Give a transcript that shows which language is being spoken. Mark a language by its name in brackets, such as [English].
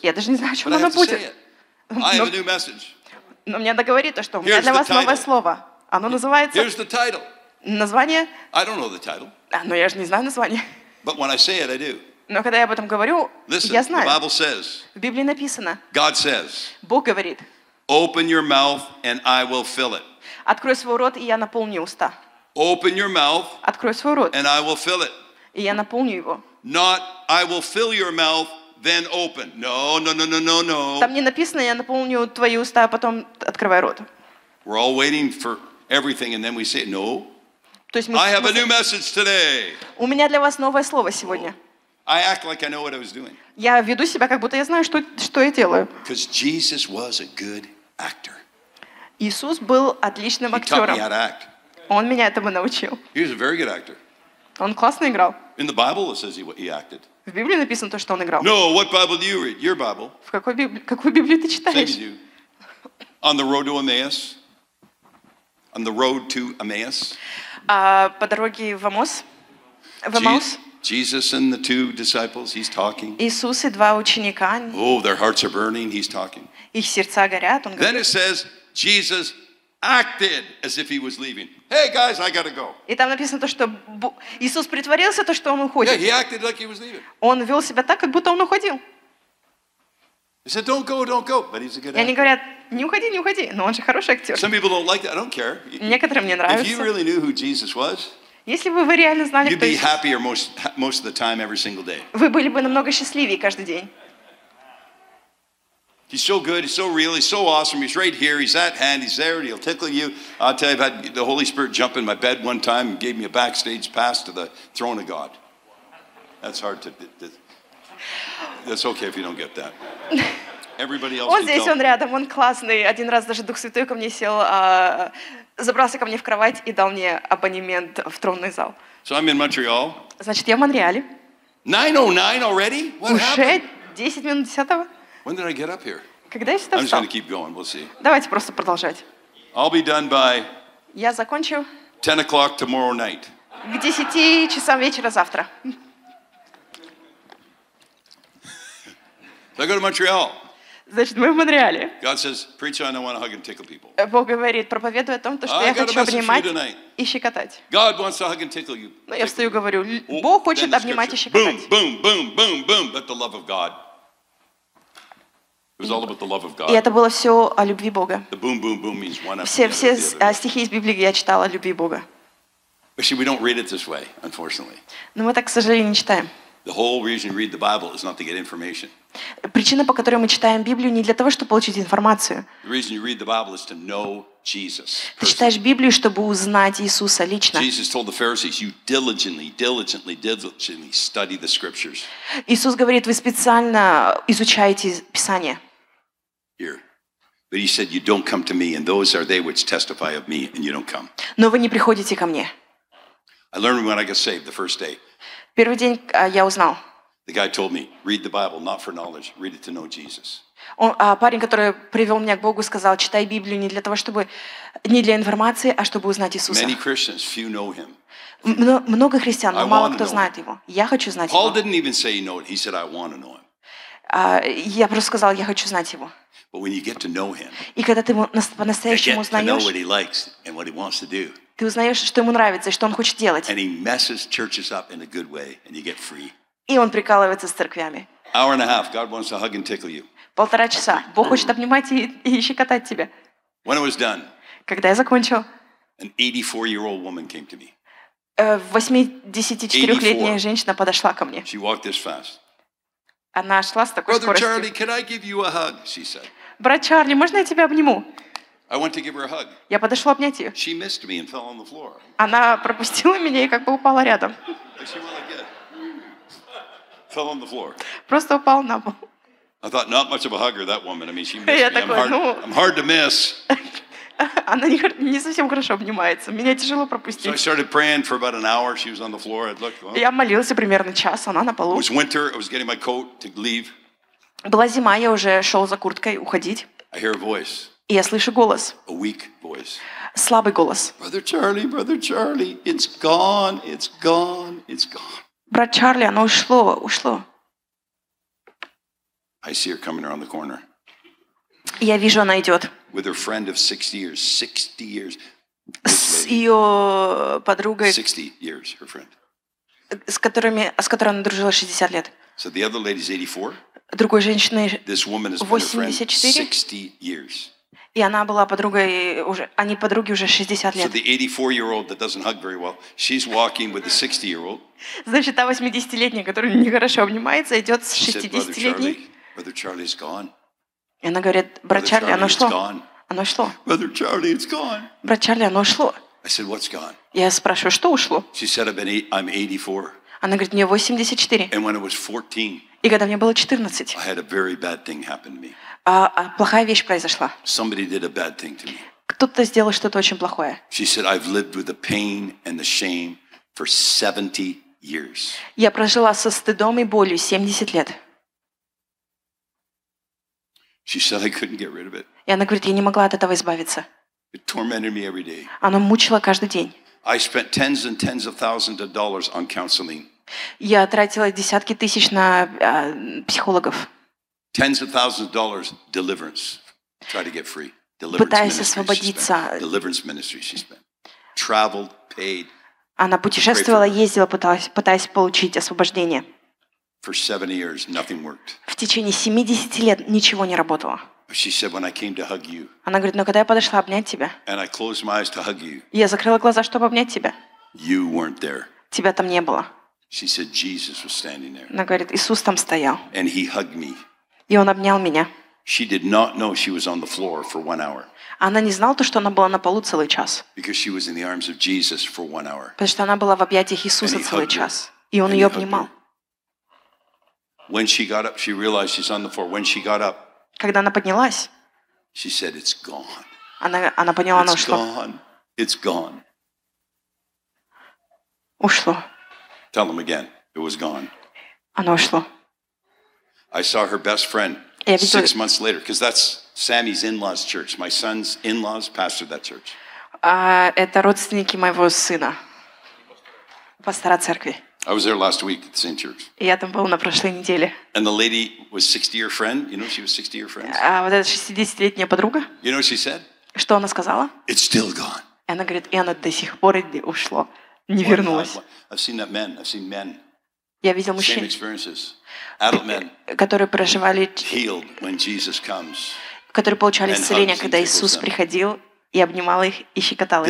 [Russian] Я даже не знаю, что оно будет. [English] I have a new message. [Russian] Но мне надо говорить то, что у меня для вас новое слово. Оно называется... [English] Here's the title. [Russian] Название... [English] I don't know the title. [Russian] Но я же не знаю название. [English] But when I say it, I do. [Russian] Но когда я об этом говорю, [English] Listen, [Russian] я знаю. [English] The Bible says, [Russian] в Библии написано. [English] God says, [Russian] Бог говорит. [English] Open your mouth and I will fill it. [Russian] Открой свой рот, и я наполню уста. [English] Open your mouth [Russian] Открой свой рот, [English] and I will fill it. [Russian] И я наполню его. [English] Not I will fill your mouth, then open. No. [Russian] Там не написано, я наполню твои уста, а потом открывай рот. [English] We're all waiting for everything, and then we say, no. I have a new message today. [Russian] У меня для вас новое слово сегодня. [English] I act like I know what I was doing. [Russian] Я веду себя, как будто я знаю, что я делаю. [English] Because Jesus was a good actor. [Russian] Иисус был отличным актером. [English] He taught me how to act. [Russian] Он меня этому научил. [English] He was a very good actor. [Russian] Он классно играл. [English] In the Bible it says he acted. [Russian] В Библии написано то, что он играл. [English] No, what Bible do you read? Your Bible. [Russian] В какую Библию ты читаешь? [English] On the road to Emmaus. On the road to Emmaus. [Russian] По дороге в Эммаус. В Эммаус. [English] Jesus and the two disciples, he's talking. [Russian] Иисус и два ученика. [English] Oh, their hearts are burning, he's talking. [Russian] Их сердца горят, он [English] Then [Russian] говорит. [English] It says Jesus acted as if he was leaving. Hey guys, I got to go. [Russian] И там написано то, что Иисус притворился то, что он уходит. [English] Yeah, he acted like he was leaving. [Russian] Он вел себя так, как будто он уходил. [English] He said, don't go, but he's a good actor. [Russian] И они говорят, не уходи, но он же хороший актер. [English] Some people don't like that, I don't care. [Russian] Некоторым мне нравится. [English] If you really knew who Jesus was, [Russian] Если бы вы реально знали, [English] You'd be happier most of the time every single day. [Russian] Вы были бы намного счастливее каждый день. [English] He's so good, he's so real, he's so awesome. He's right here, he's at hand, he's there, and he'll tickle you. I'll tell you, I've had the Holy Spirit jump in my bed one time and gave me a backstage pass to the throne of God. That's hard to... That's okay if you don't get that. Everybody else [Russian] Он здесь, он рядом, он классный. Один раз даже Дух Святой ко мне сел... Забрался ко мне в кровать и дал мне абонемент в тронный зал. [English] So I'm in Montreal. [Russian] Значит, я в Монреале. [English] 9:09 already? What [Russian] Уже [English] happened? [Russian] 10 минут десятого. [English] When did I get up here? [Russian] Когда я сюда встал? [English] I'm just gonna keep going. We'll see. [Russian] Давайте просто продолжать. [English] I'll be done by [Russian] я закончу [English] 10 o'clock tomorrow night. [Russian] К 10 часам вечера завтра. [English] So I go to Montreal. [Russian] Значит, мы в Монреале. [English] God says, preach on, I want to hug and tickle people. [Russian] Бог говорит, проповедуй о том, что я хочу обнимать и щекотать. [English] God wants to hug and tickle you. [Russian] Ну, я встаю и говорю, Бог хочет обнимать и щекотать. [English] Boom, boom, boom, boom, boom, but the love of God. It was all about the love of God. [Russian] И это было все о любви Бога. [English] The boom, boom, boom means one of [Russian] Все, все стихи из Библии я читала о любви Бога. [English] But see, we don't read it this way, unfortunately. [Russian] Но мы так, к сожалению, не читаем. [English] The whole reason you read the Bible is not to get information. [Russian] Причина, по которой мы читаем Библию, не для того, чтобы получить информацию. [English] The reason you read the Bible is to know Jesus. [Russian] Ты читаешь Библию, чтобы узнать Иисуса лично. [English] Jesus told the Pharisees, "You diligently study the Scriptures." [Russian] Иисус говорит, вы специально изучаете Писание. [English] Here. But he said, "You don't come to me, and those are they which testify of me, and you don't come." [Russian] Но вы не приходите ко мне. [English] I learned when I got saved the first day. [Russian] Первый день я узнал. [English] The guy told me, read the Bible not for knowledge, read it to know Jesus. [Russian] Парень, который привел меня к Богу, сказал, читай Библию не для того, чтобы не для информации, а чтобы узнать Иисуса. [English] Many Christians, few know him. [Russian] Много христиан, но мало кто знает его. Я хочу знать его. [English] Paul didn't even say he knew it. He said, I want to know him. [Russian] Я просто сказал, я хочу знать его. [English] But when you get to know him, [Russian] и когда ты по-настоящему узнаешь, [English] to know what he likes and what he wants to do. [Russian] Ты узнаешь, что ему нравится и что он хочет делать. [English] And he messes churches up in a good way, and you get free. [Russian] И он прикалывается с церквями. [English] Hour and a half, God wants to hug and tickle you. [Russian] Полтора часа. Бог хочет обнимать и щекотать тебя. [English] When it was done, [Russian] когда я закончил, [English] an 84-year-old woman came to me. [Russian] 84-летняя женщина подошла ко мне. [English] She walked this fast. [Russian] Она шла с такой [English] Brother [Russian] скоростью. [English] Charlie, can I give you a hug? She said. [Russian] Брат Чарли, можно я тебя обниму? [English] I went to give her a hug. [Russian] Я подошел обнять ее. [English] She missed me and fell on the floor. [Russian] Она пропустила меня и как бы упала рядом. [English] Fell on the floor. [Russian] Просто упал на пол. [English] I thought not much of a hugger that woman. I mean, she missed me. I'm hard to miss. [Russian] Она не совсем хорошо обнимается. Меня тяжело пропустить. [English] So I started praying for about an hour. She was on the floor. I'd look. [Russian] Я молился примерно час. Она на полу. [English] It was winter. I was getting my coat to leave. [Russian] Была зима. Я уже шел за курткой уходить. [English] I hear a voice. [Russian] И я слышу голос. [English] A weak voice. [Russian] Слабый голос. [English] Brother Charlie, it's gone. [Russian] Брат Чарли, оно ушло. [English] I see her coming around the corner. [Russian] Я вижу, она идет. [English] With her friend of 60 years. [Russian] С ее подругой. [English] 60 years, her friend. [Russian] С которой она дружила 60 лет. [English] So the other lady's 84. [Russian] Другой женщины. [English] This woman has been her friend 60 years. [Russian] И она была подругой уже, они подруги уже 60 лет. [English] So the 84-year-old that doesn't hug very well, she's walking with the 60-year-old. [Russian] Значит, та 80-летняя, которая нехорошо обнимается, идет с 60-летней. [English] Brother Charlie's gone. [Russian] И она говорит, брат Чарли, оно ушло. Оно ушло. [English] Brother Charlie, it's gone. [Russian] Брат Чарли, оно ушло. [English] I said, what's gone? [Russian] Я спрашиваю, что ушло? [English] She said, I'm 84. [Russian] Она говорит, мне 84. [English] And when I was 14, [Russian] и когда мне было 14, [English] I had a very bad thing happen to me. [Russian] Плохая вещь произошла. [English] Somebody did a bad thing to me. [Russian] Кто-то сделал что-то очень плохое. [English] She said, I've lived with the pain and the shame for 70 years. [Russian] Я прожила со стыдом и болью 70 лет. [English] She said, I couldn't get rid of it. [Russian] И она говорит, я не могла от этого избавиться. [English] It tormented me every day. [Russian] Оно мучило каждый день. [English] I spent tens and tens of thousands of dollars on counseling. [Russian] Я тратила десятки тысяч на психологов. [English] Tens of thousands of dollars deliverance. Try to get free. [Russian] Пытаясь освободиться. [English] Deliverance ministry she spent. Traveled, paid. [Russian] Она путешествовала, ездила, пытаясь получить освобождение. [English] For 70 years, nothing worked. [Russian] В течение 70 лет ничего не работало. [English] She said, "When I came to hug you." [Russian] Она говорит, но когда я подошла обнять тебя. [English] And I closed my eyes to hug you. [Russian] Я закрыла глаза, чтобы обнять тебя. [English] You weren't there. [Russian] Тебя там не было. [English] She said, "Jesus was standing there." [Russian] Она говорит, Иисус там стоял. [English] And he hugged me. [Russian] И он обнял меня. [English] She did not know she was on the floor for 1 hour. [Russian] Она не знала то, что она была на полу целый час. [English] Because she was in the arms of Jesus for 1 hour. [Russian] Потому что она была в объятиях Иисуса целый час. И он ее обнимал. [English] When she got up, she realized she's on the floor. When she got up. [Russian] Когда она поднялась, [English] she said, it's gone. [Russian] Она поняла, она ушла. [English] It's gone. It's gone. [Russian] Ушло. [English] Tell them again. It was gone. [Russian] Оно ушло. [English] I saw her best friend 6 months later, because that's Sammy's in-laws church. My son's in-laws pastored that church. [Russian] Это родственники моего сына. Пастора церкви. [English] I was there last week at the same church. [Russian] Я там был на прошлой неделе. [English] And the lady was 60-year friend. You know she was 60-year friend. [Russian] Вот эта 60-летняя подруга. [English] You know what she said? [Russian] Что она сказала? [English] It's still gone. [Russian] И она говорит, и она до сих пор не ушло, не вернулась. [English] I've seen that men. I've seen men. [Russian] Я видел мужчин. [English] Same experiences. Adult men. [Russian] Которые проживали. [English] Healed when Jesus comes. [Russian] Которые получали исцеление, когда Иисус приходил. И обнимал их, и щекотал их.